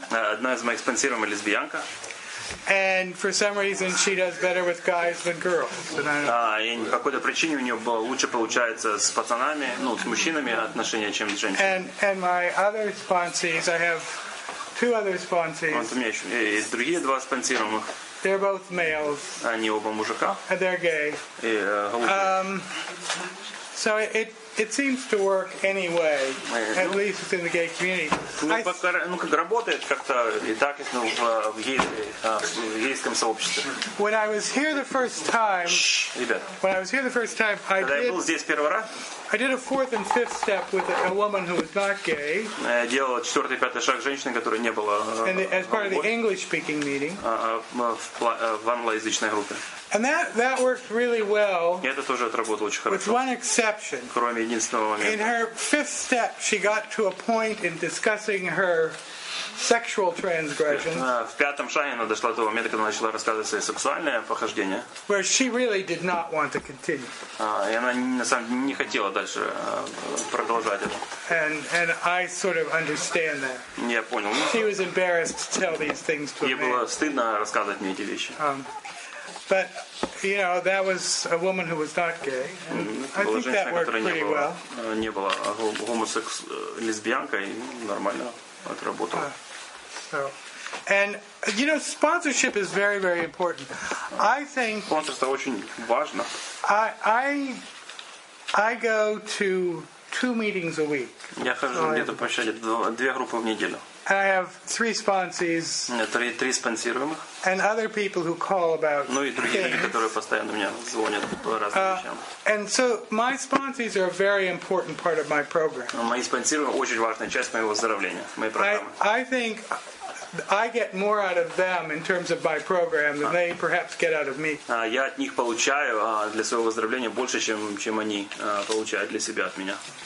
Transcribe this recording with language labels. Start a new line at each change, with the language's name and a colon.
Russian: Одна из моих спонсируемых лесбиянка.
English: And for some reason she does better with guys than girls.
Russian: И какой-то причине у нее лучше получается с пацанами, ну, с мужчинами отношения, чем с женщинами.
English: And my other sponsees, I have two other sponsees.
Russian: Вот у меня еще есть другие два спонсируемых.
English: They're both males.
Russian: Они оба мужика.
English: And they're gay.
Russian: И голубые.
English: So it seems to work anyway, at least within the gay community.
Russian: Ну, как работает как-то и так, ну, в гейском сообществе.
English: When I was here the first time, when I was here the first time, I did a fourth and fifth step with a woman who was not gay.
Russian: Я делал четвертый, пятый шаг с женщиной, которая не была.
English: As part of the English-speaking meeting.
Russian: В англоязычной группе.
English: And that worked really well.
Russian: Это тоже отработало очень хорошо.
English: With one exception.
Russian: Кроме единственного момента.
English: In her fifth step, she got to a point in discussing her sexual transgressions.
Russian: В пятом шаге она дошла до того момента, когда начала рассказывать свои сексуальные похождения.
English: Where she really did not want to continue.
Russian: И она на самом деле не хотела дальше продолжать это.
English: And I sort of understand that.
Russian: Я понял.
English: She was embarrassed to tell these things to me.
Russian: Ей было стыдно рассказывать мне эти вещи.
English: But, you know, that was a woman who was not gay. And I think that worked pretty well.
Russian: Не была гомосекс лесбиянкой, нормально отработала.
English: And, you know, sponsorship is very, very important. I think...
Russian: Спонсорство очень важно.
English: I go to two meetings a week.
Russian: Я хожу где-то по счету две группы в неделю.
English: And I have three sponsees.
Russian: Три спонсируемых.
English: And other people who call about.
Russian: Ну и другие люди, которые постоянно мне звонят по разным вещам.
English: And so my sponsees are a very important part of my program.
Russian: Мои спонсируемые очень важная часть моего выздоровления, моей программы.
English: I think I get more out of them in terms of my program than they perhaps get out of me.
Russian: Я от них получаю для своего выздоровления больше, чем они получают для себя от меня.